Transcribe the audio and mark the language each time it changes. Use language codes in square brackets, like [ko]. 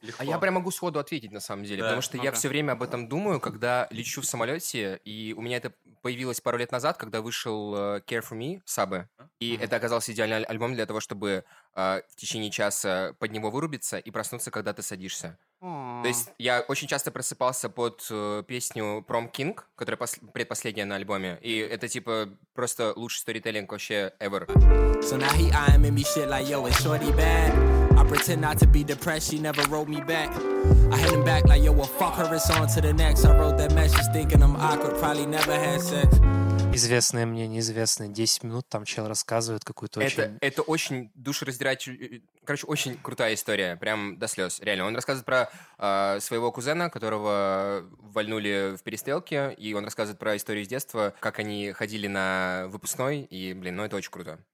[ru] Легко. А я прям могу сходу ответить на самом деле, да, потому что я все время об этом думаю, когда лечу в самолете, и у меня это появилось пару лет назад, когда вышел Care For Me, Сабы, и это оказался идеальный альбом для того, чтобы в течение часа под него вырубиться и проснуться, когда ты садишься. То есть я очень часто просыпался под песню Prom King, которая предпоследняя на альбоме, и это типа просто лучший сторителлинг вообще ever. [en] So now he eyeing me shit like, yo, it's shorty bad. I pretend not to be depressed, she never wrote me back. I hit him back like, yo, well, fuck her, it's on to the next. I wrote that message thinking I'm awkward, probably never had sex. [ru] Известные мне неизвестные. 10 минут там чел рассказывает какую-то очень... Это очень душераздирающая... Короче, очень крутая история, прям до слез, реально. Он рассказывает про своего кузена, которого вольнули в перестрелке, и он рассказывает про историю с детства, как они ходили на выпускной, и, блин, ну это очень круто.